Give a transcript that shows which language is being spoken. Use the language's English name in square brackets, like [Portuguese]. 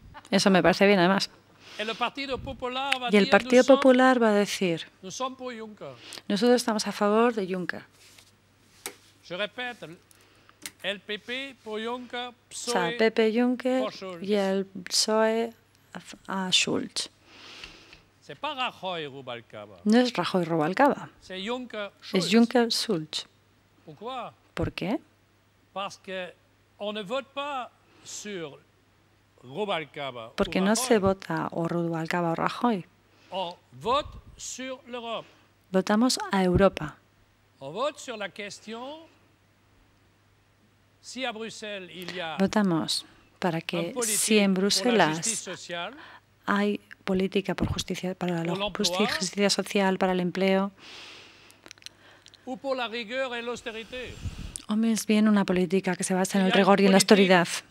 [Spanish] Eso me parece bien, además. Y el Partido Popular va a decir, nosotros estamos a favor de Juncker. [French] Je répète, el PP pour Juncker, PSOE, [Spanish] o sea, PP Juncker y el PSOE a Schulz. [French] C'est pas Rajoy, Rubalcaba. [Spanish] No es Rajoy Rubalcaba, [French] c'est Juncker, [Spanish] es Juncker Schulz. [French] Pourquoi? [Spanish] ¿Por qué? Porque no votamos sur Rubalcaba, porque no se vota o Rubalcaba o Rajoy. [French] On vote sur l'Europe. [Spanish] Votamos a Europa. [French] On vote sur la question, si a Bruxelles il y a [Spanish] votamos para que si en Bruselas social, hay política por justicia, para la justicia social, para el empleo, [French] ou pour la rigueur et l'austérité. [Spanish] O más bien una política que se basa en el rigor y en la austeridad.